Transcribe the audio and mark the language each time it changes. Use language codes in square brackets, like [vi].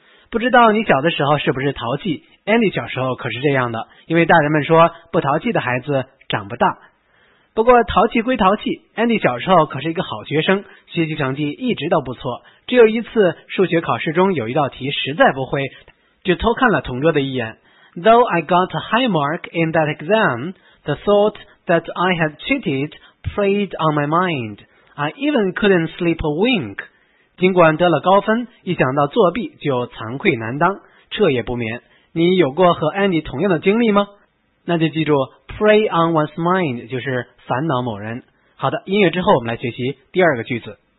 [zh] 不知道你小的时候是不是淘气， Andy 小时候可是这样的，因为大人们说不淘气的孩子长不大。不过淘气归淘气， Andy 小时候可是一个好学生，学习成绩一直都不错，只有一次数学考试中有一道题实在不会，就偷看了同桌的一眼。 [en] Though I got a high mark in that exam, the thought that I had cheated preyed on my mind. I even couldn't sleep a wink. [zh] 尽管得了高分，一想到作弊就惭愧难当，彻夜不眠。你有过和 Andy 同样的经历吗？那就记住 [en] prey on one's mind [zh] 就是烦恼某人。好的，音乐之后我们来学习第二个句子。